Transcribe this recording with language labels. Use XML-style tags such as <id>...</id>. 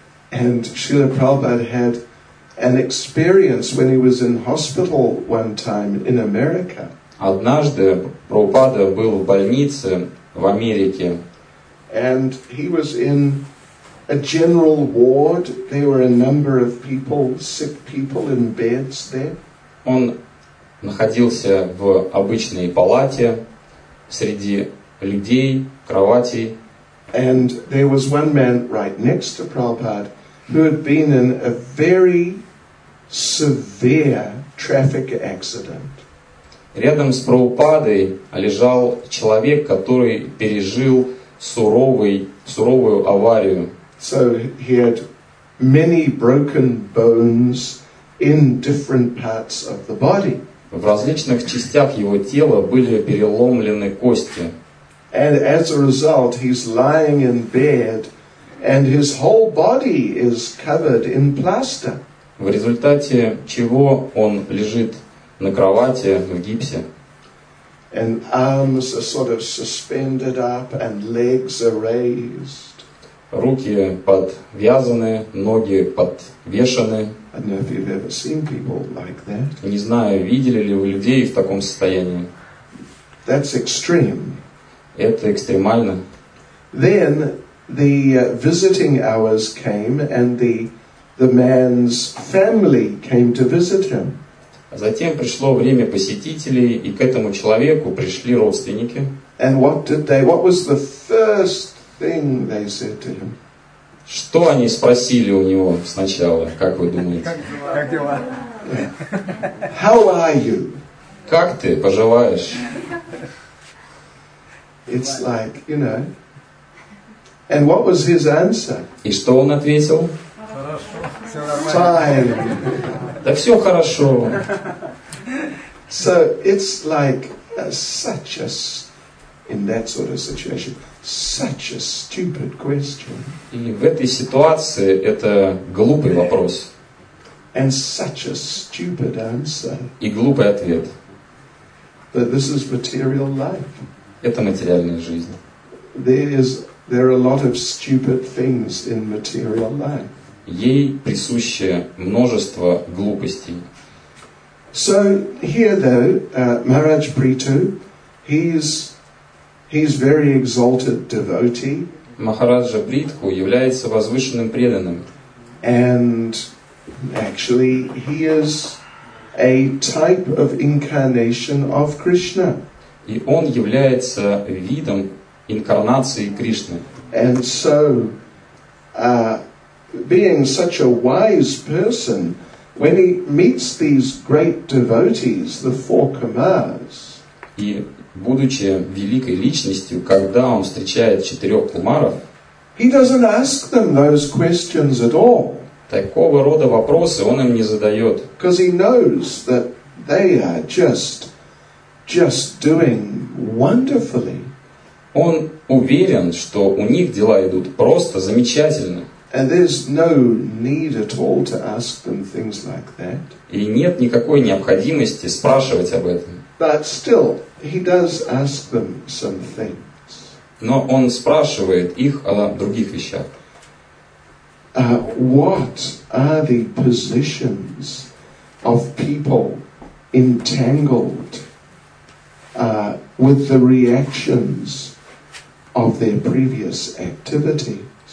<en>And Srila Prabhupada had an experience when he was in hospital one time in America.</en> <ru>Однажды Прабхупада был в больнице в Америке.</ru> <en>And he was in a general ward. There were a number of people, sick people in beds there.</en> <ru>Он находился в обычной палате среди людей, кроватей.</ru> <en>And there was one man right next to Prabhupada who had been in a very severe traffic accident.</en> <ru>Рядом с Прабхупадой лежал человек, который пережил суровую аварию.</ru> <en>So he had many broken bones in different parts of the body.</en> <ru>В различных частях его тела были переломлены кости.</ru> <en>And as a result, he's lying in bed, and his whole body is covered in plaster.</en> <ru>В результате чего он лежит на кровати в гипсе.</ru> <en>And arms are sort of suspended up, and legs are raised.</en> <ru>Руки подвязаны, ноги подвешены.</ru> <en>I don't know if you've ever seen people like that.</en> <ru>Не знаю, видели ли вы людей в таком состоянии.</ru> <en>That's extreme.</en> <ru>Это экстремально.</ru> <en>Then the visiting hours came, and the man's family came to visit him.</en> <ru>Затем пришло время посетителей, и к этому человеку пришли родственники.</ru> <en>And what did they, what was the first thing they said to him?</en> <ru>Что они спросили у него сначала, как вы думаете? Как дела?</ru> <en>How are you?</en> <ru>Как ты поживаешь?</ru> <en>It's like, you know. And what was his answer?</en> <ru>И что он ответил?</ru> <en>Fine.</en> <ru>Да все хорошо.</ru> <en>So it's like such a, in that sort of situation, such a stupid question.</en> <ru>И в этой ситуации это глупый вопрос.</ru> <en>And such a stupid answer.</en> <ru>И глупый ответ.</ru> <en>But this is material life.</en> <ru>Это материальная жизнь.</ru> <en>There are a lot of stupid things in material life.</en> <ru>Ей присуще множество глупостей.</ru> <en>So here though, Maharaj Prithu, he's very exalted devotee.</en> <ru>Махараджа Притху является возвышенным преданным.</ru> <en>And actually he is a type of incarnation of Krishna.</en> <ru>И он является видом инкарнации Кришны.</ru> <en>And so being such a wise person, when he meets these great devotees, the four kumars.</en> <ru>И будучи великой личностью, когда он встречает четырех кумаров,</ru> <en>he doesn't ask them those questions at all.</en> <ru>Такого рода вопросы он им не задает.</ru> <en>Because he knows that they are just doing wonderfully.</en> <ru>Он уверен, что у них дела идут просто замечательно.</ru> <en>And there's no need at all to ask them things like that.</en> <ru>И нет никакой необходимости спрашивать об этом.</ru> <en>But still, he does ask them some things.</en> <ru>Но он спрашивает их о других вещах.</ru> <en>What are the positions of people entangled with the reactions of their previous activity?</en>